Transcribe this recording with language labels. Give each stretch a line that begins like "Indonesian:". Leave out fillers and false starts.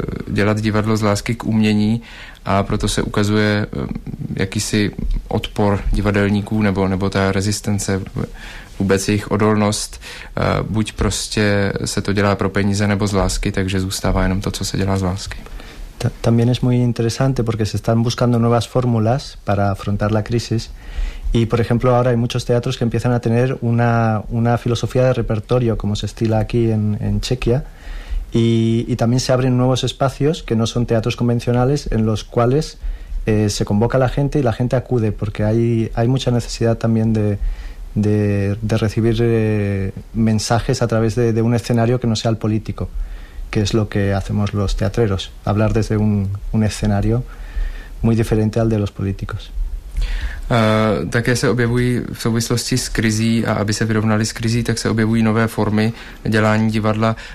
Czech: dělat divadlo z lásky k umění a proto se ukazuje jakýsi odpor divadelníků nebo ta rezistence vůbec jejich odolnost, buď prostě se to dělá pro peníze nebo z lásky, takže zůstává jenom to, co se dělá z lásky.
Spanish: También es muy interesante porque se están buscando nuevas fórmulas para afrontar la crisis y por ejemplo ahora hay muchos teatros que empiezan a tener una filosofía de repertorio como se estila aquí en Chequia y también se abren nuevos espacios que no son teatros convencionales en los cuales se convoca la gente y la gente acude porque hay mucha necesidad también de recibir mensajes a través de un escenario que no sea el político, que es lo que hacemos los teatreros, hablar desde un escenario muy diferente al de los políticos.
Czech: Také se objevují v souvislosti s krizí a aby se vyrovnali s krizí, tak se objevují nové formy dělání divadla.